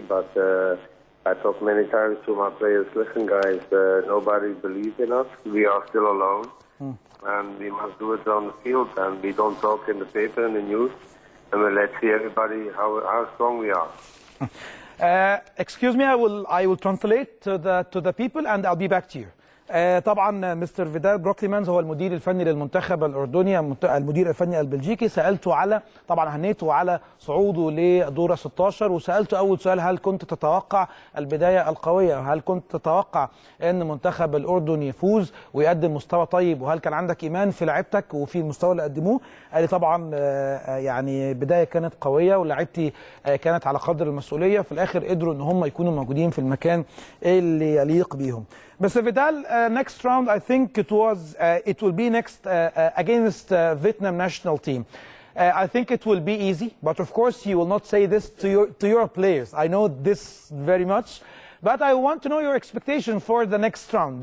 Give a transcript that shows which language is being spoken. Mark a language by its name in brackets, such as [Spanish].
[English] But I talked many times to my players, listen, guys, nobody believes in us. We are still alone. Mm. And we must do it on the field. And we don't talk in the paper and the news. And we let's see everybody how strong we are. Excuse me, I will translate to the people and I'll be back to you. [Arabic] طبعا مستر فيتال بروكلي مانز هو المدير الفني للمنتخب الاردني المدير الفني البلجيكي. سالته على طبعا هنيته على صعوده لدور 16 وسالته اول سؤال، هل كنت تتوقع البدايه القويه؟ هل كنت تتوقع ان منتخب الاردن يفوز ويقدم مستوى طيب؟ وهل كان عندك ايمان في لعبتك وفي المستوى اللي قدموه؟ قال لي طبعا يعني بدايه كانت قويه ولعبتي كانت على قدر المسؤوليه، في الاخر قدروا ان هم يكونوا موجودين في المكان اللي يليق بيهم. [English] Mr. Vidal, next round, I think it will be next against Vietnam national team. I think it will be easy, but of course you will not say this to your players. I know this very much, but I want to know your expectation for the next round.